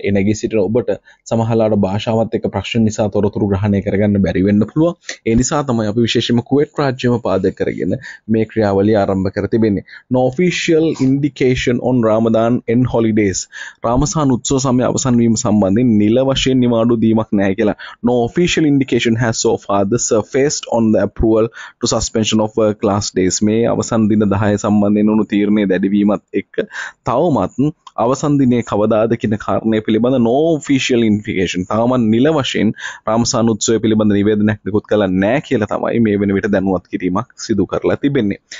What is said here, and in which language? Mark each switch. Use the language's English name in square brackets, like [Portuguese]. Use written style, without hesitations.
[Sinhala] ඒ නැගී සිටින ඔබට සමහරවිට භාෂාවත් එක්ක ප්‍රශ්න නිසා තොරතුරු ග්‍රහණය කරගන්න බැරි වෙන්න පුළුවන්. ඒ නිසා තමයි අපි විශේෂයෙන්ම කුවේට් රාජ්‍යයම පාදක කරගෙන මේ ක්‍රියාවලිය ආරම්භ කර තිබෙන්නේ. [English] No official indication on Ramadan end holidays. [Sinhala] Ramazan උත්සව සමය අවසන් වීම සම්බන්ධයෙන් නිල වශයෙන් නිවාඩු දීමක් නැහැ කියලා. [English] No official indication has so far the surfaced on the approval to suspension of work class days. [Sinhala] මේ අවසන් දින 10 සම්බන්ධයෙන් උණු තීරණයේ දැඩිවීමත් එක්ක තවමත් අවසන් දිනේ කවදාද කියන කාරණය පිළිබඳ [English] no official indication. [Sinhala] තවම නිල වශයෙන් රාමසාන උත්සවය පිළිබඳ නිවේදනයක් නිකුත් කළා නැහැ කියලා තමයි මේ වෙන විට දැනුවත් කිරීමක් සිදු කරලා තිබෙන්නේ.